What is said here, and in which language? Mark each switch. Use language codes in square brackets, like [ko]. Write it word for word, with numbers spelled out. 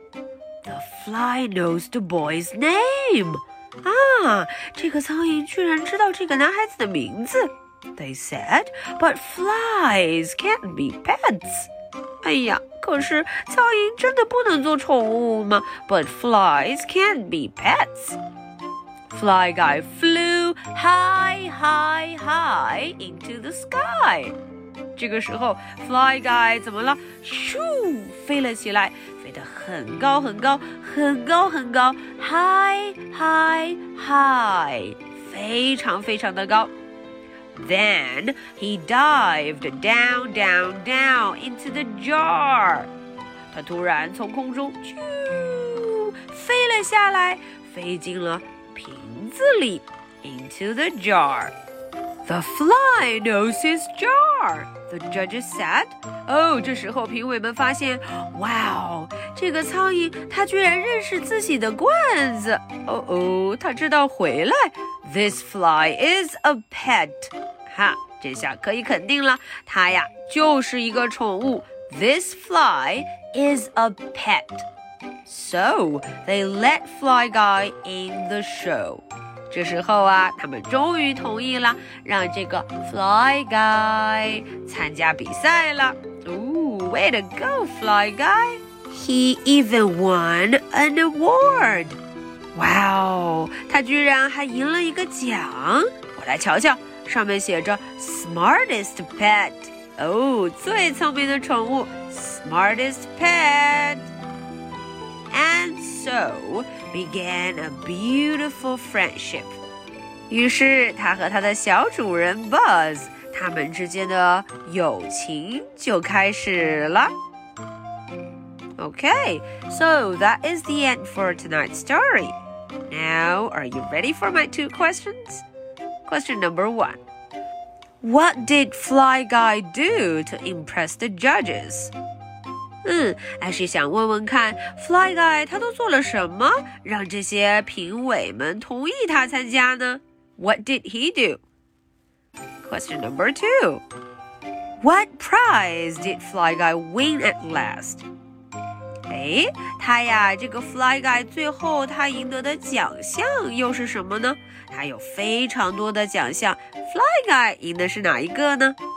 [en] The fly knows the boy's name. [zh] 啊，这个苍蝇居然知道这个男孩子的名字。 [en] They said, but flies can't be pets. [zh] 哎呀，可是苍蝇真的不能做宠物吗？ [en] But flies can't be pets. Fly Guy flew high, high, high into the sky. [zh] 这个时候 Fly Guy 怎么了？咻，飞了起来，飞得很高很高很高很高 ， [en] high, high, high， [zh] 非常非常的高。 [en] Then he dived down, down, down into the jar. [zh] 他突然从空中啾飞了下来，飞进了瓶子里 [en] into the jar. The fly knows his jar, the judges said. [zh] 哦，这时候评委们发现，哇哦，这个苍蝇它居然认识自己的罐子。哦哦，它知道回来。 [en] This fly is a pet. [zh] 哈，这下可以肯定了，它呀就是一个宠物。 [en] This fly is a pet. So, they let Fly Guy in the show. [zh] 这时候啊，他们终于同意了，让这个 Fly Guy 参加比赛了。 [en] Ooh, way to go, Fly Guy! He even won an award. [zh] Wow, 他居然还赢了一个奖。我来瞧瞧，上面写着 Smartest Pet. 哦，最聪明的宠物 Smartest Pet. [en] And so began a beautiful friendship. [zh] 于是他和他的小主人 Buzz 他们之间的友情就开始了。 [en] Okay, so that is the end for tonight's story. Now, are you ready for my two questions? Question number one. What did Fly Guy do to impress the judges? [zh] 嗯，还是想问问看 Fly Guy 他都做了什么让这些评委们同意他参加呢？ [en] What did he do? Question number two. What prize did Fly Guy win at last? [zh] 哎，他呀，这个 Fly Guy 最后他赢得的奖项又是什么呢？他有非常多的奖项 Fly Guy 赢的是哪一个呢？